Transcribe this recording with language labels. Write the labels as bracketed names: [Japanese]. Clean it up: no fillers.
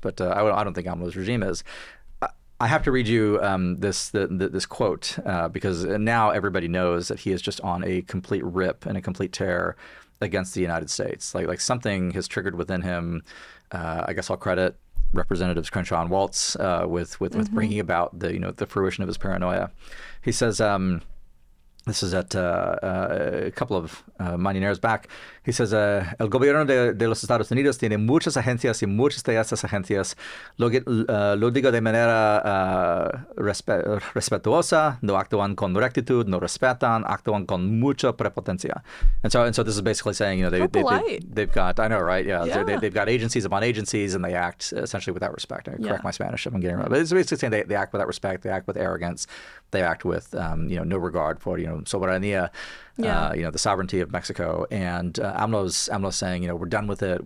[English] But I don't think AMLO's regime is. I have to read you this quote, because now everybody knows that he is just on a complete rip and a complete tear against the United States. Like something has triggered within him. I guess I'll credit Representatives Crenshaw and Waltz with bringing about the, you know, the fruition of his paranoia. He says, this is at a couple of mañaneras back. He says, [Spanish] el gobierno de los Estados Unidos tiene muchas agencias y muchas de esas agencias, lo digo de manera respetuosa, no actúan con rectitud, no respetan, actúan con mucha prepotencia. [English] And so this is basically saying, you know, they've got, I know, right? Yeah. They've got agencies upon agencies, and they act essentially without respect. Correct my Spanish if I'm getting it wrong. But it's basically saying they act without respect, they act with arrogance, they act with, you know, no regard for, you know, soberanía. You know, the sovereignty of Mexico. And AMLO's saying, you know, we're done with it.